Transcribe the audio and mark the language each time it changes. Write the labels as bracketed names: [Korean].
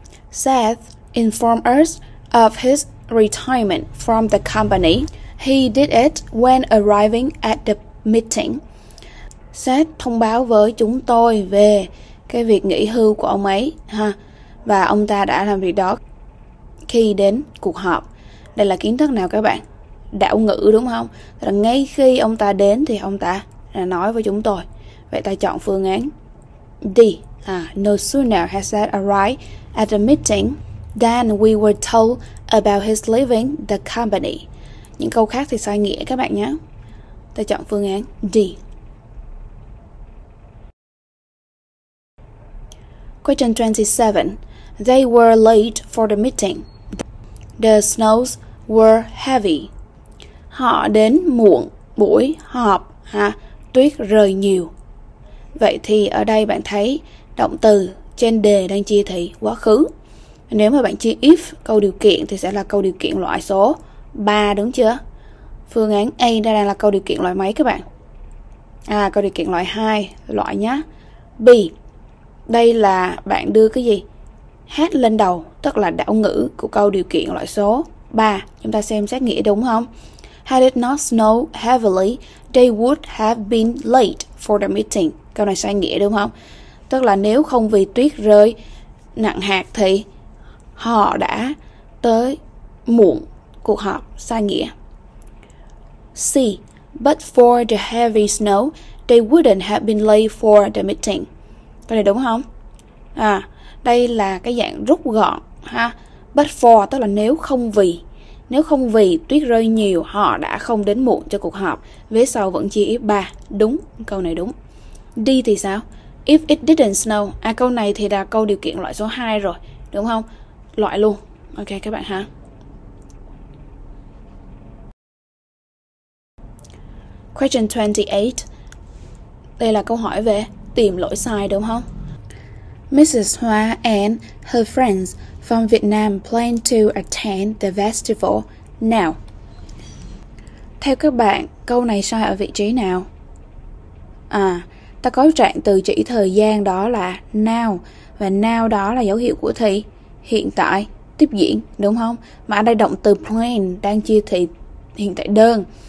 [English] Seth informed us of his retirement from the company. He did it when arriving at the meeting. [Vietnamese] Seth thông báo với chúng tôi về cái việc nghỉ hưu của ông ấy ha. Và ông ta đã làm việc đó khi đến cuộc họp. Đây là kiến thức nào các bạn? Đảo ngữ đúng không? Là ngay khi ông ta đến thì ông ta đã nói với chúng tôi. Vậy ta chọn phương án D. [English] No sooner has Seth arrived at the meeting than we were told about his leaving the company. [Vietnamese] Những câu khác thì sai nghĩa các bạn nhé. Ta chọn phương án D. [English] Question 27. They were late for the meeting. The snows were heavy. [Vietnamese] Họ đến muộn buổi họp ha. Tuyết rơi nhiều. Vậy thì ở đây bạn thấy động từ trên đề đang chia thị quá khứ. Nếu mà bạn chia if câu điều kiện thì sẽ là câu điều kiện loại số 3, đúng chưa? Phương án A đây đang là câu điều kiện loại mấy các bạn? À, câu điều kiện loại 2 loại nhá. B. Đây là bạn đưa cái gì? Hát lên đầu, tức là đảo ngữ của câu điều kiện loại số 3. Chúng ta xem xét nghĩa đúng không? [English] Had it not snowed heavily, they would have been late for the meeting. [Vietnamese] Câu này sai nghĩa đúng không? Tức là nếu không vì tuyết rơi nặng hạt thì họ đã tới muộn cuộc họp. Sai nghĩa. C. [English] But for the heavy snow, they wouldn't have been late for the meeting. [Vietnamese] Câu này đúng không? À, đây là cái dạng rút gọn ha. But for tức là nếu không vì. Nếu không vì tuyết rơi nhiều, họ đã không đến muộn cho cuộc họp. Vế sau vẫn chia ý 3. Đúng, câu này đúng. D thì sao? [English] If it didn't snow. [Vietnamese] À, câu này thì là câu điều kiện loại số 2 rồi, đúng không? Loại luôn. Ok các bạn ha. [English] Question 28. [Vietnamese] Đây là câu hỏi về tìm lỗi sai, đúng không? [English] Mrs. Hoa and her friends from Vietnam plan to attend the festival now. [Vietnamese] Theo các bạn, câu này sai ở vị trí nào? À, ta có trạng từ chỉ thời gian, đó là now. Và now đó là dấu hiệu của thì, hiện tại, tiếp diễn, đúng không? Mà ở đây động từ plan đang chia thì hiện tại đơn.